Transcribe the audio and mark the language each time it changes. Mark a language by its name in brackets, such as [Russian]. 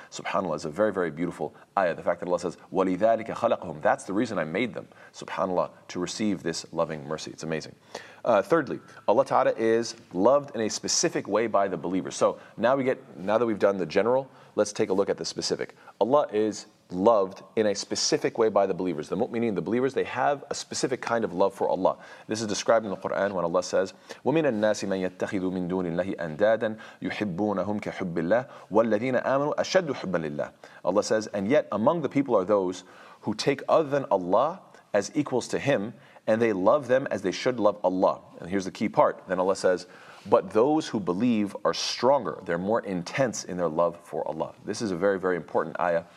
[English] SubhanAllah is a very, very beautiful ayah. The fact that Allah says, [Arabic] وَلِذَٰلِكَ خَلَقَهُمْ, [English] that's the reason I made them, SubhanAllah, to receive this loving mercy. It's amazing. Thirdly, Allah Ta'ala is loved in a specific way by the believers. So now that we've done the general, let's take a look at the specific. Allah is loved in a specific way by the believers. The mu'mineen, the believers, they have a specific kind of love for Allah. This is described in the Quran when Allah says, [Arabic] وَمِنَ النَّاسِ مَنْ يَتَّخِذُ مِنْ دُونِ اللَّهِ أَنْدَادًا يُحِبُّونَهُمْ كَحُبِّ اللَّهِ وَالَّذِينَ آمَنُوا أَشَدُّ حُبًّا لِلَّهِ. [English] Allah says, and yet among the people are those who take other than Allah as equals to Him, and they love them as they should love Allah. And here's the key part. Then Allah says, but those who believe are stronger. They're more intense in their love for Allah. This is a very, very important ayah.